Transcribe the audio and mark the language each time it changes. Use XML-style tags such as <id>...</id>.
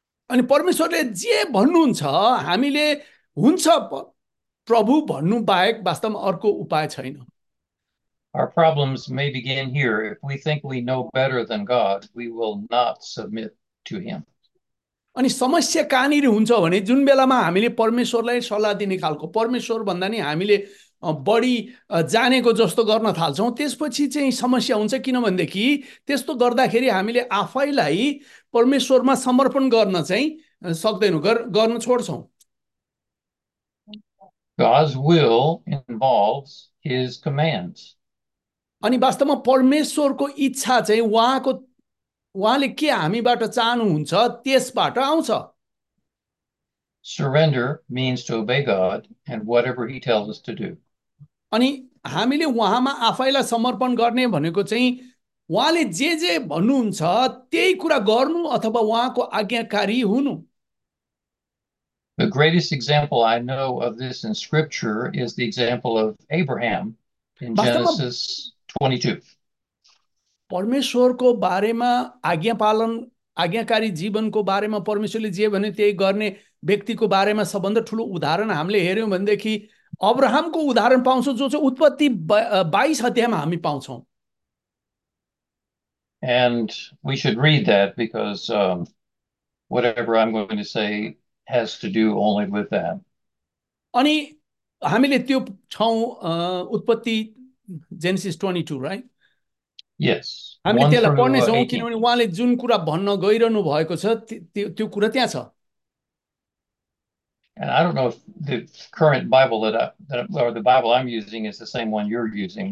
<ne>अनि परमेश्वरले जे भन्नुहुन्छ हामीले हुन्छ प्रभु भन्नु बाहेक वास्तवमा अर्को उपाय छैन।</ne> <en>Our problems may begin here. If we think we know better than God, we will not submit to him.</en> <ne>अनि समस्या कहाँनिर हुन्छ भने जुन बेलामा हामीले परमेश्वरलाई सल्लाह दिने खालको परमेश्वर भन्दा नि हामीले बढी जानेको जस्तो गर्न थाल्छौँ, त्यसपछि चाहिँ समस्या हुन्छ। किनभनेदेखि त्यस्तो गर्दाखेरि हामीले आफैलाई परमेश्वरमा समर्पण गर्न चाहिँ सक्दैनौँ, गर्न छोड्छौँ।</ne> <en>God's will involves his commands.</en> <ne>अनि वास्तवमा परमेश्वरको इच्छा चाहिँ उहाँको उहाँले के हामीबाट चाहनुहुन्छ त्यसबाट आउँछ।</ne> <en>Surrender means to obey God and whatever he tells us to do.</en> <ne>अनि हामीले उहाँमा आफैलाई समर्पण गर्ने भनेको चाहिँ उहाँले जे जे भन्नुहुन्छ त्यही कुरा गर्नु अथवा उहाँको आज्ञाकारी हुनु।</ne> <en>The greatest example I know of this in Scripture is the example of Abraham in</en> <ne>वास्तवमा</ne> <en>Genesis 22.</en> <ne>परमेश्वरको बारेमा आज्ञा पालन आज्ञाकारी जीवनको बारेमा परमेश्वरले जे भन्यो त्यही गर्ने व्यक्तिको बारेमा सबभन्दा ठुलो उदाहरण हामीले हेऱ्यौँ भनेदेखि अब्राहमको उदाहरण पाउँछौँ, जो चाहिँ उत्पत्ति 22 अध्यायमा हामी पाउँछौँ।</ne> <en>And we should read that because whatever I'm going to say has to do only with that.</en> <ne>अनि हामीले त्यो छौँ उत्पत्ति जेनेसिस 22,</ne> <en>Right? Yes,</en> <ne>हामीले</ne> <en>1</en> <ne>त्यसलाई</ne> <en>through</en> <ne>पढ्नेछौँ</ne> <en>18.</en> <ne>किनभने उहाँले जुन कुरा भन्न गइरहनु भएको छ त्यो त्यो कुरा त्यहाँ छ।</ne> <en>And I don't know if the current Bible or the Bible I'm using is the same one you're using.</en>